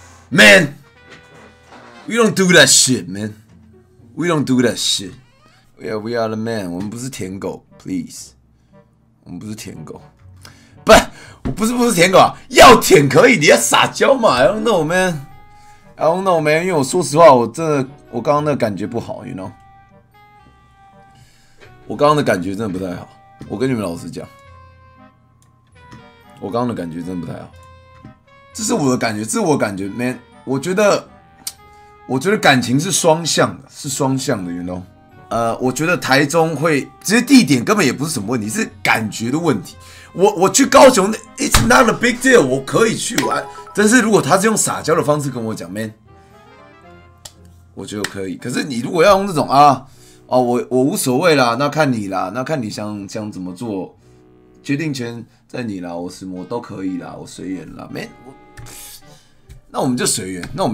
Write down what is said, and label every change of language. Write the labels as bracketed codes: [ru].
[en] Man， we don't do that shit, man. We don't do that shit. We are the man. [zh] 我们不是舔狗 ， [en] please。 [zh] 我们不是舔狗，我不是舔狗啊，要舔可以，你要撒娇嘛 ？ [en] I don't know, man. I don't know, man. [zh] 因为我说实话，我刚刚那个感觉不好 ， [en] you know。 [zh] 我刚刚的感觉真的不太好。我跟你们老实讲，我刚刚的感觉真的不太好。这是我的感觉，这是我的感觉 ，man。我觉得感情是双向的，是双向的 ， [en] you know。 [zh] 我觉得台中会，其实地点根本也不是什么问题，是感觉的问题。我去高雄 ， [en] it's not a big deal， [zh] 我可以去玩。但是如果他是用撒娇的方式跟我讲 ，man， 我觉得可以。可是你如果要用这种啊，哦，我无所谓啦，那看你啦，那看你想怎么做，决定权在你啦，我什么都可以啦，我随缘啦 ，man， 那我们就随缘。